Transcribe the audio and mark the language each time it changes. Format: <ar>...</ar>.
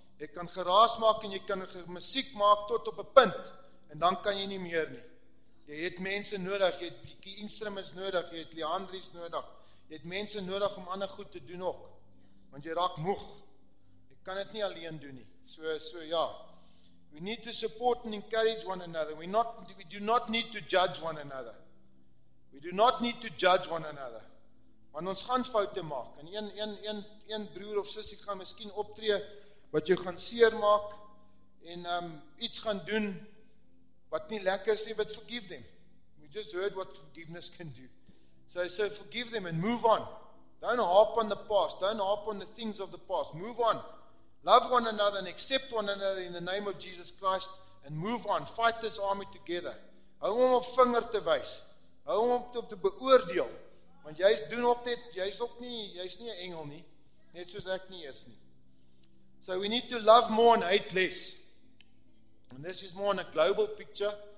<af>Jy kan geraas maak en jy kan musiek maak tot op 'n punt en dan kan jy nie meer nie. Jy het mense nodig, jy het die instruments nodig, jy het liandries nodig, jy het mense nodig om ander goed te doen ook, want jy raak moeg. Jy kan dit nie alleen doen nie.</af> <en>So ja, we need to support and encourage one another. We do not need to judge one another. We do not need to judge one another.</en> <af>Want ons gaan foute maak, en een broer of sussie gaan miskien optree, wat jou gaan seer maak, en iets gaan doen, wat nie lekker is nie,</af> <en>but forgive them. We just heard what forgiveness can do. So forgive them and move on. Don't harp on the past. Don't harp on the things of the past. Move on. Love one another and accept one another in the name of Jesus Christ and move on. Fight this army together.</en> <af>Hou om op vinger te wys. Hou om op te beoordeel. Want jy doen ook net, jy is nie 'n engel nie. Net soos ek nie is nie.</af> <en>So we need to love more and hate less. And this is more in a global picture.</en>